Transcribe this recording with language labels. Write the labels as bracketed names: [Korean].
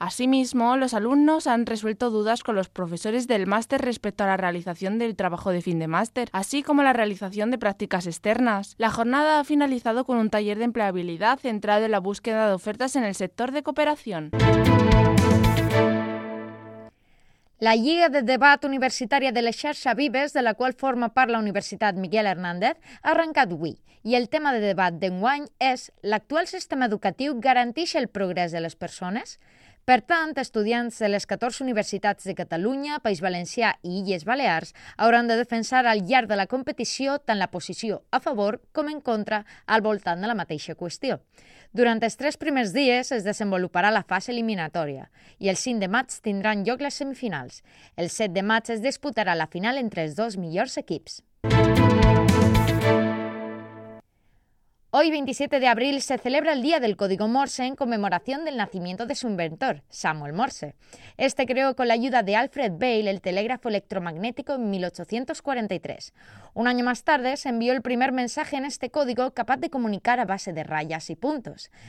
[Spanish] Asimismo, los alumnos han resuelto dudas con los profesores del máster respecto a la realización del trabajo de fin de máster, así como la realización de prácticas externas. La jornada ha finalizado con un taller de empleabilidad centrado en la búsqueda de ofertas en el sector de cooperación. [Catalan] La Lliga de Debat Universitària de la Xarxa Vives, de la qual forma part la Universitat Miguel Hernández, ha arrencat avui. I el tema de debat d'enguany és: l'actual sistema educatiu garanteix el progrés de les persones? Per tant, estudiants de les 14 universitats de Catalunya, País Valencià i Illes Balears hauran de defensar al llarg de la competició tant la posició a favor com en contra al voltant de la mateixa qüestió. Durant els tres primers dies es desenvoluparà la fase eliminatòria i el 5 de maig tindran lloc les semifinals. El 7 de maig es disputarà la final entre els dos millors equips. [Spanish] Hoy, 27 de abril, se celebra el Día del Código Morse en conmemoración del nacimiento de su inventor, Samuel Morse. Este creó con la ayuda de Alfred Bell el telégrafo electromagnético en 1843. Un año más tarde se envió el primer mensaje en este código capaz de comunicar a base de rayas y puntos.